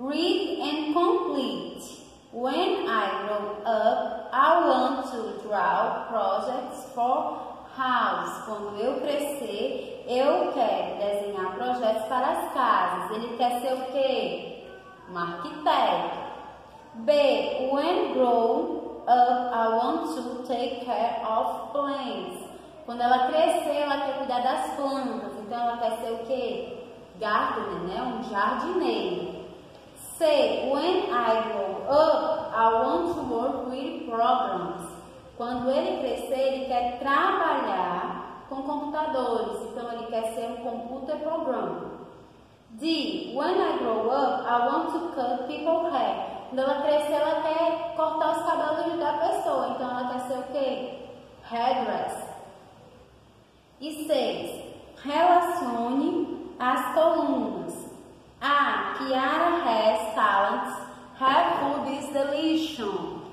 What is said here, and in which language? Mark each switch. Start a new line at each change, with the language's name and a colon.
English: Read and complete. When I grow up, I want to draw projects for house.
Portuguese: Quando eu crescer, eu quero desenhar projetos para as casas. Ele quer ser o quê? Um arquiteto. B.
English: When grown up, I want to take care of plants.
Portuguese: Quando ela crescer, ela quer cuidar das plantas. Então, ela quer ser o quê? Gardener, né? Um jardineiro. C.
English: When I grow up, I want to work with programs.
Portuguese: Quando ele crescer, ele quer trabalhar com computadores. Então, ele quer ser um
English: computer programmer.
Portuguese: D.
English: When I grow up, I want to cut people's hair.
Portuguese: Quando ela crescer, ela quer cortar os cabelos da pessoa. Então, ela quer ser o quê? Hairdresser. E C. Relacione as colunas. A.
English: Kiara has talents. Her food is delicious.